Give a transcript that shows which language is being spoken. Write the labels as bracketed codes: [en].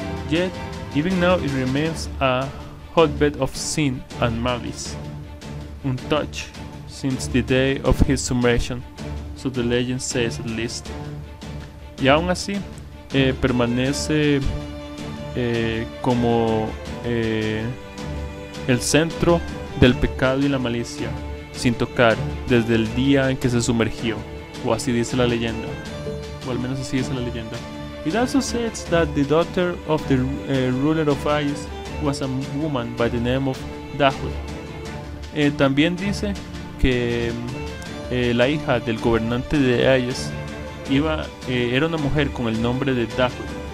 [en] Yet, even now it remains a hotbed of sin and malice, untouched since the day of his submersion, so the legend says at least. [es] Y aún así, permanece como el centro del pecado y la malicia, sin tocar desde el día en que se sumergió, o así dice la leyenda, o al menos así dice la leyenda. [en] It also says that the daughter of the ruler of Ice was a woman by the name of Dahul. [es] También dice que la hija del gobernante de Ice era una mujer con el nombre de Dahul.